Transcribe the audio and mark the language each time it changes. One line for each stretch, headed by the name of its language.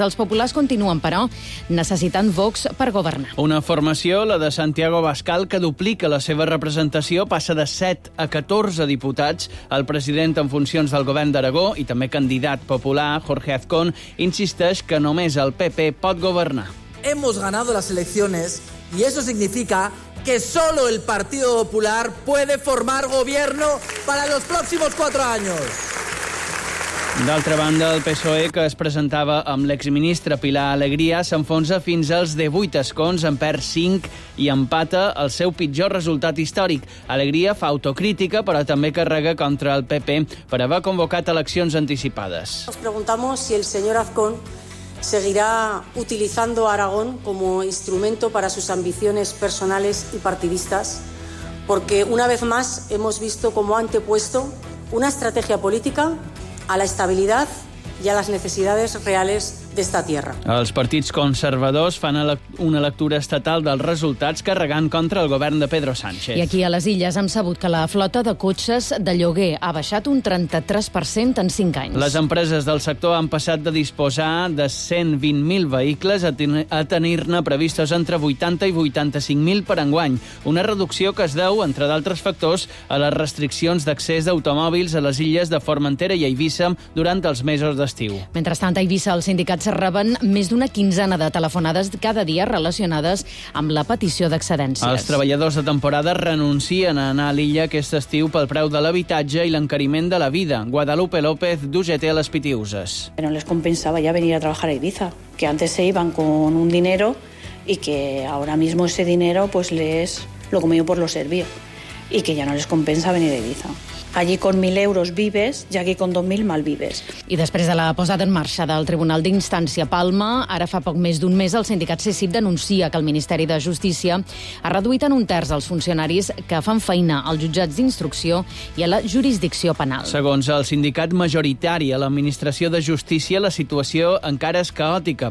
Catalan: Els populars continuen, però, necessitant Vox per governar. Una formació, la de Santiago Abascal, que duplica la seva representació, passa de 7 a 14 diputats. El president en funcions del govern d'Aragó i també candidat popular, Jorge Azcón, insisteix que només el PP pot governar.
Spanish: Hemos ganado las elecciones y eso significa que solo el Partido Popular puede formar gobierno para los próximos 4 años.
Catalan: D'altra banda, el PSOE, que es presentava amb l'exministre Pilar Alegría, s'enfonsa fins als 18 escons, en perd 5 i empata el seu pitjor resultat històric. Alegría fa autocrítica, però també carrega contra el PP per haver convocat eleccions anticipades.
Spanish: Nos preguntamos si el señor Azcón seguirá utilizando a Aragón como instrumento para sus ambiciones personales y partidistas, porque una vez más hemos visto cómo ha antepuesto una estrategia política a la estabilidad y a las necesidades reales d'esta tierra.
Catalan: Els partits conservadors fan una lectura estatal dels resultats carregant contra el govern de Pedro Sánchez. I aquí a les Illes hem sabut que la flota de cotxes de lloguer ha baixat un 33% en 5 anys. Les empreses del sector han passat de disposar de 120.000 vehicles a tenir-ne previstos entre 80 i 85.000 per enguany, una reducció que es deu, entre d'altres factors, a les restriccions d'accés d'automòbils a les illes de Formentera i Eivissa durant els mesos d'estiu. Mentrestant, a Eivissa, el sindicat reben més d'una quinzena de telefonades cada dia relacionades amb la petició d'excedències. Els treballadors de temporada renuncien a anar a l'illa aquest estiu pel preu de l'habitatge i l'encariment de la vida. Guadalupe López, d'UGT a les Pitiuses. No les compensava ja venir a treballar a Eivissa,
Spanish: que antes se iban con un dinero y que ahora mismo ese dinero pues les lo comió por lo servido y que ya no les compensa venir a Eivissa. Allí con 1.000 euros vives i aquí con 2.000 mal vives.
Catalan: I després de la posada en marxa del Tribunal d'Instància Palma, ara fa poc més d'un mes, el sindicat CECIP denuncia que el Ministeri de Justícia ha reduït en un terç els funcionaris que fan feina als jutjats d'instrucció i a la jurisdicció penal. Segons el sindicat majoritari a l'Administració de Justícia, la situació encara és caòtica.